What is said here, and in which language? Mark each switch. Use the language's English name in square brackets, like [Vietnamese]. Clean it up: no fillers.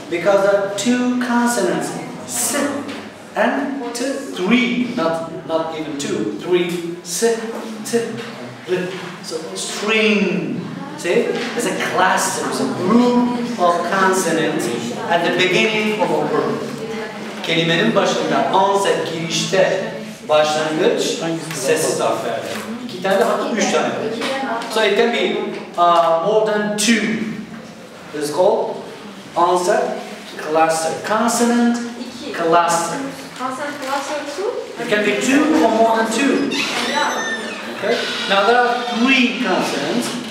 [English] Because there are two consonants, S and T, three, not even two, three, S, T, L. So, string. See, it's a cluster, it's a group of consonants at the beginning of a verb. [Turkish] Kelimenin başında, onset, girişte, başlangıç, sessiz harflerde. İki tane de, hatta üç tane. [English] So it can be more than two. This is called onset, cluster, consonant, cluster. Consonant, cluster, two? It can be two or more than two. Yeah. Okay. Now there are three consonants.